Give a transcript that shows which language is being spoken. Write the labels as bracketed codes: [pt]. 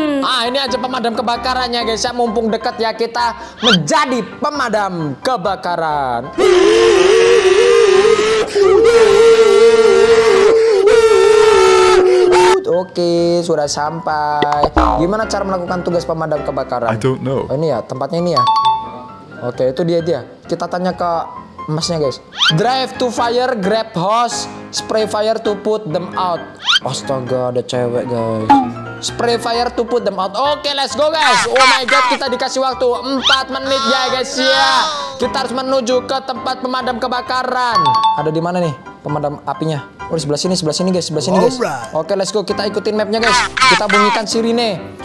[id] Ah, ini aja pemadam kebakarannya, guys. Ya, mumpung dekat ya, kita menjadi pemadam kebakaran. Oke, sudah sampai. Gimana cara melakukan tugas pemadam kebakaran? [en] I don't know. [id] Oh, ini ya, tempatnya ini ya. Oke, itu dia. Kita tanya ke masnya, guys. [en] Drive to fire, grab hose, spray fire to put them out. [id] Astaga, ada cewek, guys. [en] Spray fire to put them out. [id] Oke, let's go, guys. [en] Oh my god, [id] kita dikasih waktu 4 menit ya, guys. Ya, kita harus menuju ke tempat pemadam kebakaran. Ada di mana nih pemadam apinya? Oh, sebelah sini, guys. Sebelah sini, guys. Oke, let's go. Kita ikutin mapnya, guys. Kita bunyikan sirine.